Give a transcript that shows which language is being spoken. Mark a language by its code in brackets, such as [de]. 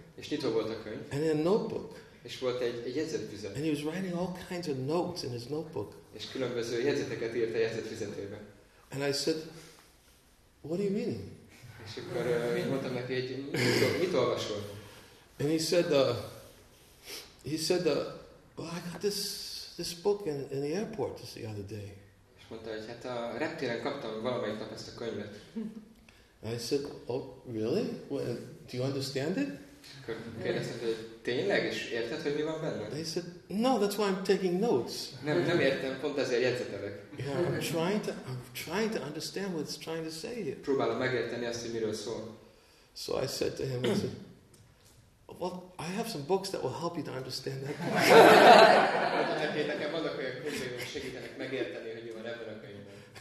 [hu] És nyitva volt a könyv. [en] And a notebook. [hu] És volt egy jegyzetfüzet. [en] And he was writing all kinds of notes in his notebook. [hu] És különböző jegyzeteket írt a jegyzetfüzetébe. [en] And I said, what do you mean? [hu] És akkor mondtam neki, hogy mit olvasol? [en] And he said, I got this book in the airport just the other day. [hu] És mondta, hogy hát a reptéren kaptam valamelyik nap ezt a könyvet. [en] And I said, oh, really? Well, do you understand it? [hu] Kérdeztem, hogy tényleg, és érted, hogy mi van benne? [en] They said, no, that's why I'm taking notes. [hu] Nem értem, pont ezért jegyzetelek. [en] Yeah, I'm trying to understand what it's trying to say. [hu] Próbálom megérteni azt, hogy miről szól. [en] So I said to him, well, I have some books that will help you to understand that. [hu] Nekem vannak olyan könyvek, hogy segítenek megérteni, hogy mi van ebben a könyvben.